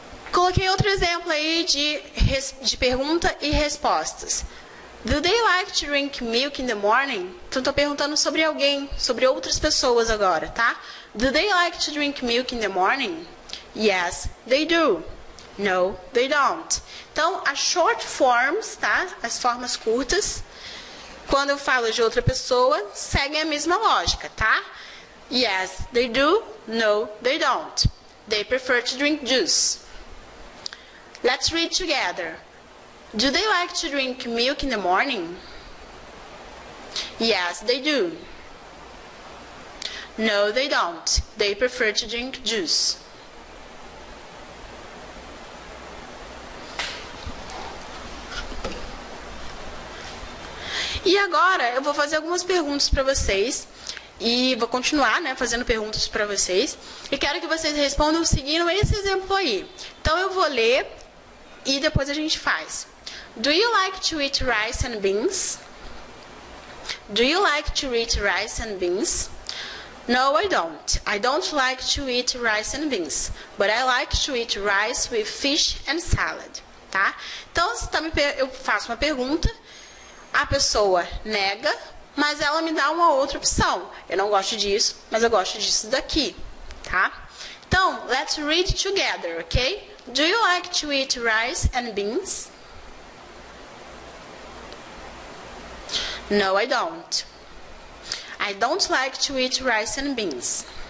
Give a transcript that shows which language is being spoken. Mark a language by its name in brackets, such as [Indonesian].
[Portuguese] Coloquei outro exemplo aí de pergunta e respostas. [English] Do they like to drink milk in the morning? [Portuguese] Então, estou perguntando sobre alguém, sobre outras pessoas agora, tá? [English] Do they like to drink milk in the morning? Yes, they do. No, they don't. [Portuguese] Então, as short forms, tá? As formas curtas, quando eu falo de outra pessoa, seguem a mesma lógica, tá? [English] Yes, they do. No, they don't. They prefer to drink juice. Let's read together. Do they like to drink milk in the morning? Yes, they do. No, they don't. They prefer to drink juice. [Portuguese] E agora eu vou fazer algumas perguntas para vocês e vou continuar, né, fazendo perguntas para vocês e quero que vocês respondam seguindo esse exemplo aí. Então eu vou ler e depois a gente faz. [English] Do you like to eat rice and beans? Do you like to eat rice and beans? No, I don't. I don't like to eat rice and beans, but I like to eat rice with fish and salad, tá? [Portuguese] Então, eu faço uma pergunta, a pessoa nega, mas ela me dá uma outra opção. Eu não gosto disso, mas eu gosto disso daqui, tá? [English] Então, let's read together, ok? Do you like to eat rice and beans? No, I don't. I don't like to eat rice and beans.